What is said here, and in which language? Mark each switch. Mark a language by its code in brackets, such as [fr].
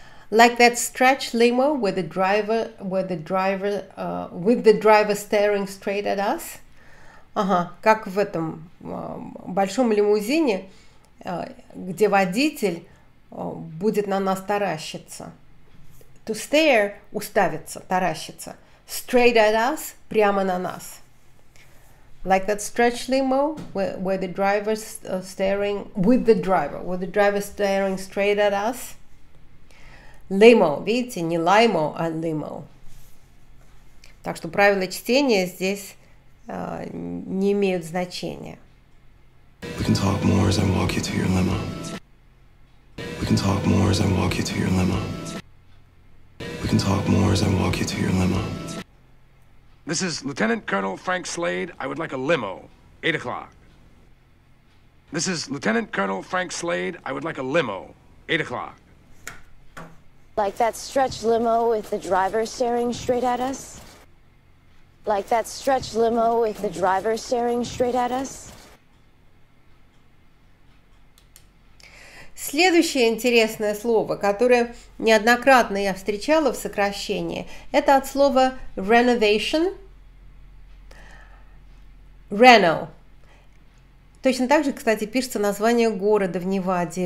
[en] Like that stretch limo with the driver staring straight at us. [ru] Ага, как в этом большом лимузине, где водитель будет на нас таращиться. [en] To stare [ru] – уставиться, таращиться. [en] Straight at us [ru] – прямо на нас. [en] Like that stretch limo where the driver staring with the driver, with the driver staring straight at us. [ru] Limo, видите, не лаймо, а лимо. Так что правила чтения здесь не имеют значения. [en] We can talk more as I walk you to your limo. We can talk more as I walk you to your limo. We can talk more as I walk you to your limo. This is Lieutenant Colonel Frank Slade. I would like a limo, 8 o'clock. This is Lieutenant Colonel Frank Slade. I would like a limo, 8 o'clock. Like that stretch limo with the driver staring straight at us? Like that stretch limo with the driver staring straight at us? [ru] Следующее интересное слово, которое неоднократно я встречала в сокращении, это от слова renovation. [en] Reno. [ru] Точно так же, кстати, пишется название города в Неваде.